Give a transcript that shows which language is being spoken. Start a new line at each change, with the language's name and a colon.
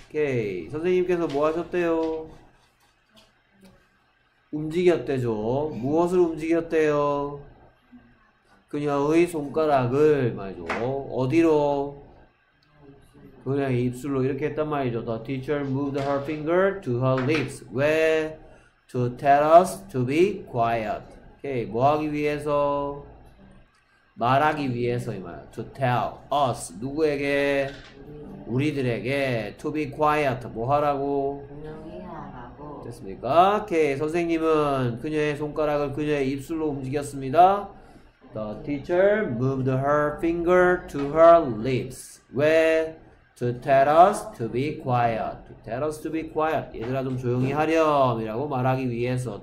Korean: 오케이, 선생님께서 뭐 하셨대요? 움직였대죠. 무엇을 움직였대요? 그녀의 손가락을 말이죠. 어디로? 그냥 입술로 이렇게 했단 말이죠.
English: The teacher moved her finger to her lips.
Korean: 왜?
English: To tell us to be quiet.
Korean: 오케이. 뭐 하기 위해서? 말하기 위해서 이 말이야.
English: To tell us.
Korean: 누구에게? 우리들에게.
English: To be quiet.
Korean: 뭐 하라고? 됐습니까? 오케이. 선생님은 그녀의 손가락을 그녀의 입술로 움직였습니다.
English: The teacher moved her finger to her lips.
Korean: 왜?
English: To tell us to be quiet. To tell us to be quiet.
Korean: 얘들아 좀 조용히 하렴이라고 말하기 위해서.